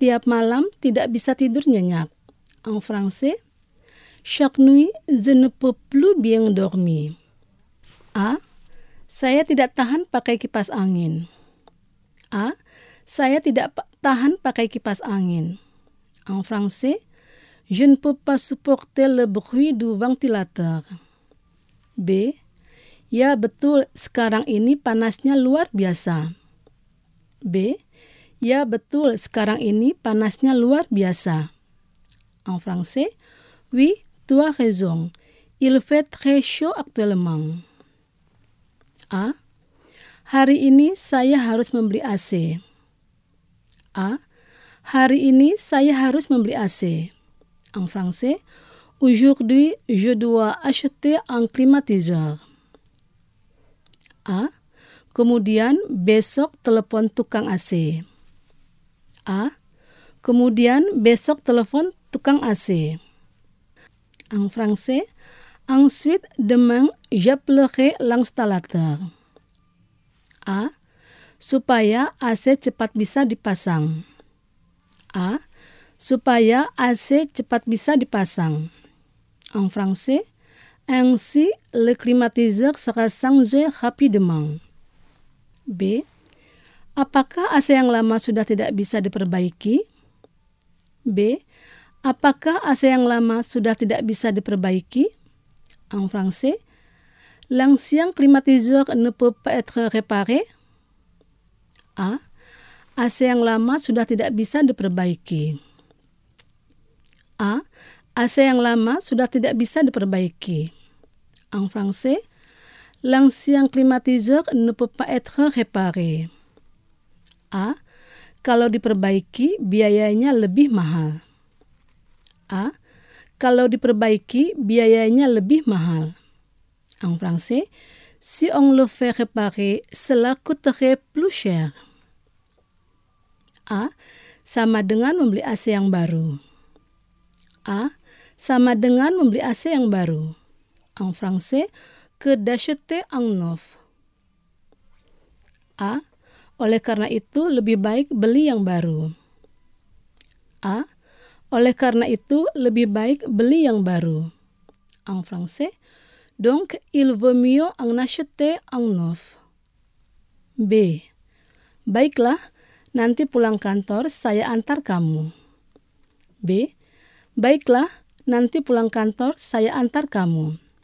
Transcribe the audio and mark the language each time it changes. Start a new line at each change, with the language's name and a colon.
Indonesian: Tiap malam tidak bisa tidur nyenyak.
French: En français, chaque nuit, je ne peux plus bien dormir.
Indonesian: A. Saya tidak tahan pakai kipas angin. A. Saya tidak tahan pakai kipas angin.
French: En français, je ne peux pas supporter le bruit du ventilateur. B.
Indonesian: Ya betul, sekarang ini panasnya luar biasa. B. Ya betul, sekarang ini panasnya luar biasa.
French: En français, oui, tu as raison. Il fait très chaud actuellement. A.
Indonesian: Hari ini saya harus membeli AC. A. Hari ini saya harus membeli AC.
French: En français, aujourd'hui je dois acheter un climatiseur.
Indonesian: A. Kemudian besok telepon tukang AC. A. Kemudian besok telepon tukang AC.
French: En français, ensuite demain j'appellerai l'installateur. A.
Indonesian: Supaya AC cepat bisa dipasang. A. Supaya AC cepat bisa dipasang.
French: En français, ainsi le climatiseur sera changé rapidement. B.
Indonesian: Apakah AC yang lama sudah tidak bisa diperbaiki? B. Apakah AC yang lama sudah tidak bisa diperbaiki?
French: En français, l'ancien climatiseur ne peut pas être réparé. A.
Indonesian: AC yang lama sudah tidak bisa diperbaiki. A. AC yang lama sudah tidak bisa diperbaiki.
French: En français, l'ancien climatiseur ne peut pas être réparé.
Indonesian: A. Kalau diperbaiki, biayanya lebih mahal. A. Kalau diperbaiki, biayanya lebih mahal.
French: En français, si on le fait réparer, cela coûterait plus cher. A.
Indonesian: Sama dengan membeli AC yang baru. A. Sama dengan membeli AC yang baru.
French: En français, que d'acheter un neuf. A.
Indonesian: Oleh karena itu, lebih baik beli yang baru. A. Oleh karena itu, lebih baik beli yang baru.
French: En français, donc il vaut mieux en acheter un neuf.
Indonesian: B. Baiklah, nanti pulang kantor saya antar kamu. B. Baiklah, nanti pulang kantor saya antar kamu.